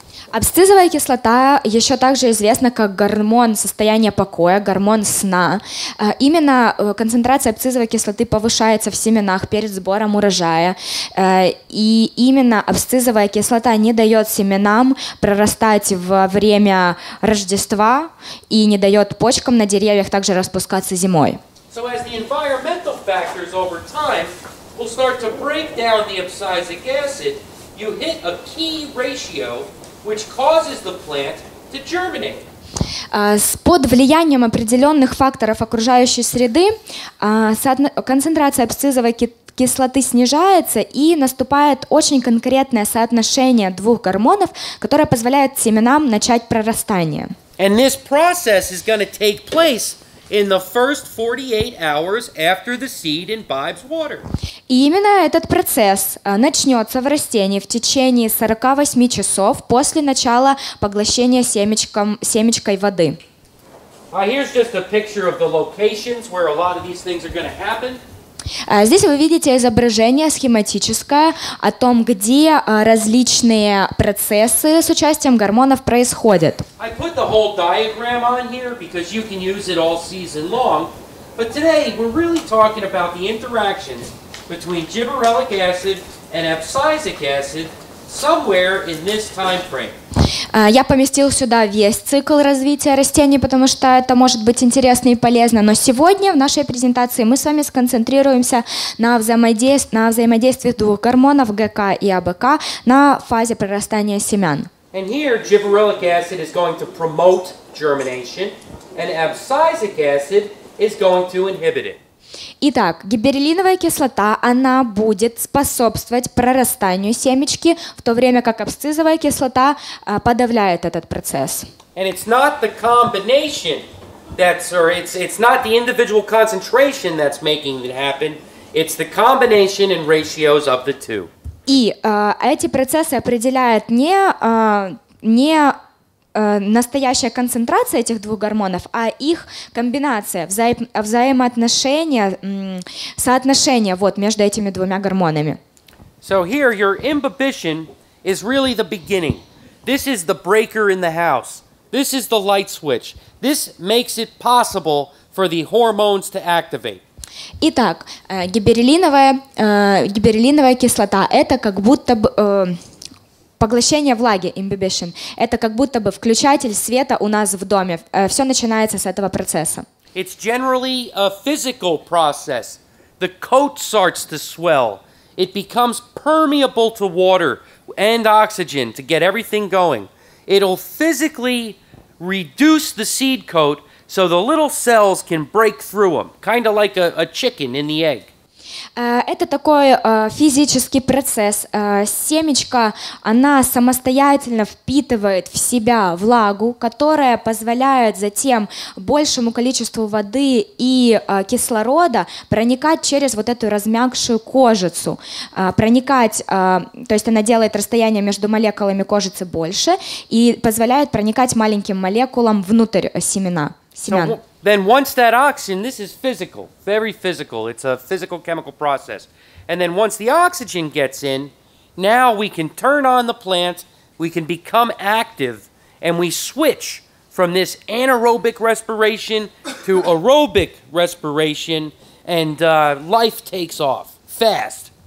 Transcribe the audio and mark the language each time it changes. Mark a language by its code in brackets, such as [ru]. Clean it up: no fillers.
[ru] Абсцизовая кислота еще также известна как гормон состояния покоя, гормон сна. Именно концентрация абсцизовой кислоты повышается в семенах перед сбором урожая. И именно абсцизовая кислота не дает семенам прорастать во время Рождества и не дает почкам на деревьях также распускаться зимой. [en] So as the environmental factors over time will start to break down the abscisic acid, you hit a key ratio which causes the plant to germinate. [ru] Под влиянием определенных факторов окружающей среды концентрация абсцизовой кислоты снижается и наступает очень конкретное соотношение двух гормонов, которое позволяет семенам начать прорастание. [en] And this process is going to take place in the first 48 hours after the seed imbibes water. [ru] И именно этот процесс начнется в растении в течение 48 часов после начала поглощения семечкой воды. [en] Here's just a picture of the locations where a lot of these things are going to happen. [ru] Здесь вы видите изображение схематическое о том, где различные процессы с участием гормонов происходят. [en] I put the whole diagram on here because you can use it all season long. But today we're really talking about the interactions between gibberellic acid and abscisic acid somewhere in this time frame. [ru] Я поместил сюда весь цикл развития растений, потому что это может быть интересно и полезно. Но сегодня в нашей презентации мы с вами сконцентрируемся на взаимодействии двух гормонов ГК и АБК на фазе прорастания семян. [en] And here gibberellic acid is going to promote germination, and abscisic acid is going to inhibit it. [ru] Итак, гиберелиновая кислота, она будет способствовать прорастанию семечки, в то время как абсцизовая кислота подавляет этот процесс. [en] And it's not the combination that's, or it's not the individual concentration that's making it happen, it's the combination and ratios of the two. [ru] И эти процессы определяют настоящая концентрация этих двух гормонов, а их комбинация, взаимоотношения, соотношение вот между этими двумя гормонами. [en] So here your imbibition is really the beginning. This is the breaker in the house. This is the light switch. This makes it possible for the hormones to activate. [ru] Итак, гиберелиновая кислота – это как будто бы поглощение влаги, imbibition, это как будто бы включатель света у нас в доме. Все начинается с этого процесса. [en] It's generally a physical process the coat starts to swell. It becomes permeable to water and oxygen to get everything going. It'll physically reduce the seed coat so the little cells can break through them, kind of like a chicken in the egg. [ru] Это такой физический процесс. Семечко, она самостоятельно впитывает в себя влагу, которая позволяет затем большему количеству воды и кислорода проникать через вот эту размягшую кожицу. То есть она делает расстояние между молекулами кожицы больше и позволяет проникать маленьким молекулам внутрь семян. [en] Then once that oxygen, this is physical, very physical, it's a physical chemical process. And then once the oxygen gets in, now we can turn on the plant, we can become active, and we switch from this anaerobic respiration to aerobic respiration, and life takes off fast.